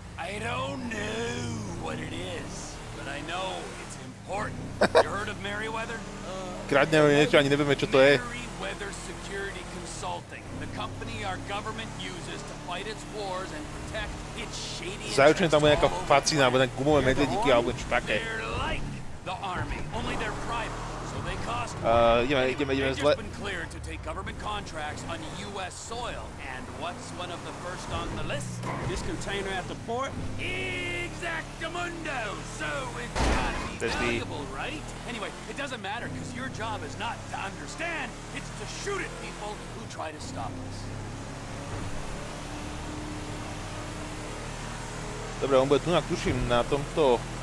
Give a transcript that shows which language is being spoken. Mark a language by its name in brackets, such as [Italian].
[English] I don't know what it is, but I know it's important. You heard of Meriwether? [Slovak] Kradneme niečo, ani nevieme, čo to je. [English] Meriwether Security Consulting, the company our government uses to fight its wars and protect its shady interests. [Slovak] Zajúčne tam bude nejaká facina, alebo nejaké gumové medvedíky, alebo niečo také. [English] They're like the army, only they're private, so they cost more. [Slovak] Ideme zle. [English] They've been cleared to take government contracts on U.S. soil. And what's one of the first on the list? This container at the port? Exactamundo! So it's gotta be valuable, right? Anyway, it doesn't matter, because your job is not to understand, it's to shoot at people who try to stop us. [Slovak] Dobre, on bude tu, tuším, na tomto...